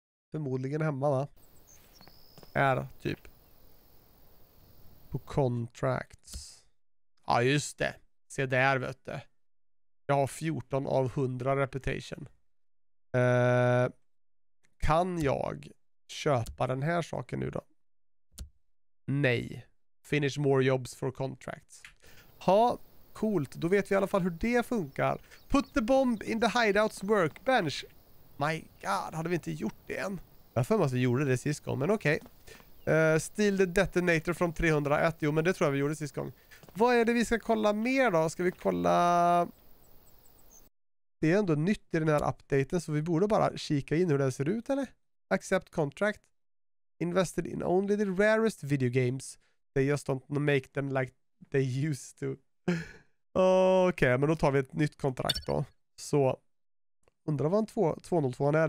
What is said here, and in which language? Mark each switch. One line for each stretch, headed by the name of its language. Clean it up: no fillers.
Swedish: Förmodligen hemma, va? Är typ. På contracts. Ja, just det. Se där, vet du. Jag har 14 av 100 reputation. Kan jag köpa den här saken nu då? Nej.
English: Finish more jobs for contracts.
Swedish: Ha, coolt. Då vet vi i alla fall hur det funkar.
English: Put the bomb in the hideout's workbench. My god,
Swedish: hade vi inte gjort det än? Jag för mig att vi gjorde det sist gång, men okej. Okay.
English: Steal the detonator from 301.
Swedish: Jo, men det tror jag vi gjorde sist gång. Vad är det vi ska kolla mer då? Ska vi kolla... Det är ändå nytt i den här updaten så vi borde bara kika in hur det ser ut, eller?
English: Accept contract. Invested in only the rarest video games. They just don't make them like they used to.
Swedish: Okej, men då tar vi ett nytt kontrakt då. Så, undrar vad en 202 är.